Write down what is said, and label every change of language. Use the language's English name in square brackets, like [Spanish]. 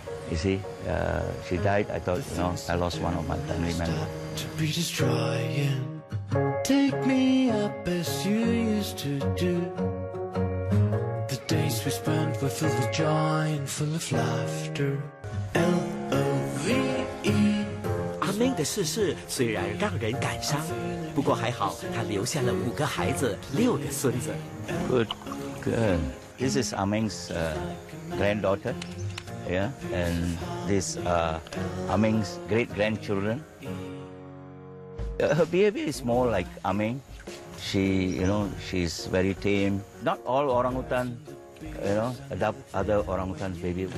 [English] You see, she died. I thought, you know, I lost one of my family members. Take me up as you used to do. The days we spent were filled with joy and full of laughter. L-O-V-E. [Chinese] 阿明的逝世虽然让人感伤，不过还好他留下了5个孩子、6个孙子。 [English] Good, good. This is Ah Meng's granddaughter, yeah, and this Ah Meng's great grandchildren. Her behavior is more like Ah Meng. She, you know, she's very tame. Not all orangutan, you know, adopt other orangutan's baby.